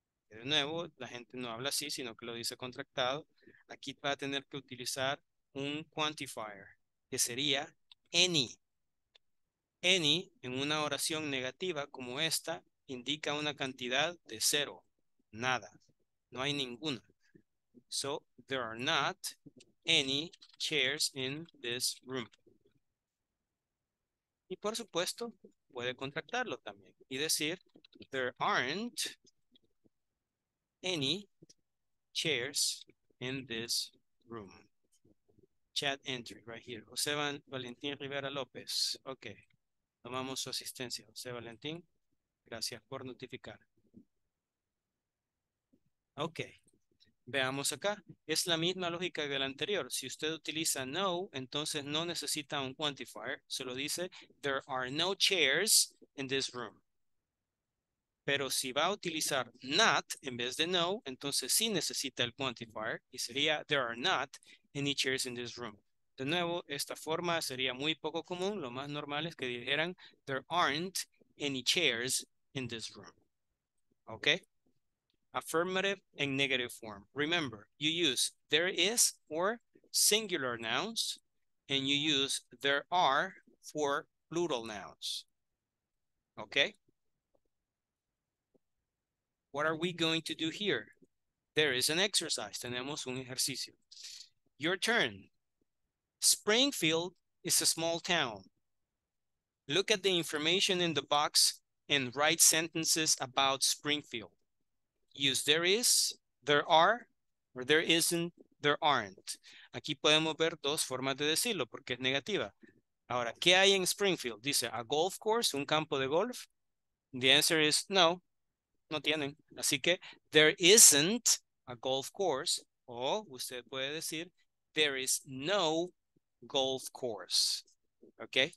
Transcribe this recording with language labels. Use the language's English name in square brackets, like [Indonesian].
[Spanish] De nuevo, la gente no habla así, sino que lo dice contractado. Aquí va a tener que utilizar un quantifier, que sería any. Any, en una oración negativa como esta, indica una cantidad de cero. Nada. No hay ninguna. [English] So, there are not any chairs in this room. [Spanish] Y por supuesto, puede contractarlo también y decir, [English] there aren't any chairs in this room. Chat entry right here. José Valentín Rivera López. Ok. [Spanish] Tomamos su asistencia. José Valentín, gracias por notificar. Ok. Veamos acá. Es la misma lógica que la anterior. Si usted utiliza no, entonces no necesita un quantifier. Solo dice, [English] there are no chairs in this room. [Spanish] Pero si va a utilizar not en vez de no, entonces sí necesita el quantifier y sería, [English] there are not any chairs in this room. [Spanish] De nuevo, esta forma sería muy poco común. Lo más normal es que dijeran, [English] there aren't any chairs in this room. [Spanish] ¿Ok? [English] Affirmative and negative form. Remember, you use there is for singular nouns and you use there are for plural nouns. ¿Ok? What are we going to do here? There is an exercise. [Spanish] Tenemos un ejercicio. [English] Your turn. Springfield is a small town. Look at the information in the box and write sentences about Springfield. Use there is, there are, or there isn't, there aren't. [Spanish] Aquí podemos ver dos formas de decirlo porque es negativa. Ahora, ¿qué hay en Springfield? Dice, [English] a golf course, [Spanish] un campo de golf. [English] The answer is no. [Spanish] No tienen. Así que, [English] there isn't a golf course. [Spanish] O usted puede decir, [English] there is no golf course. ¿Ok?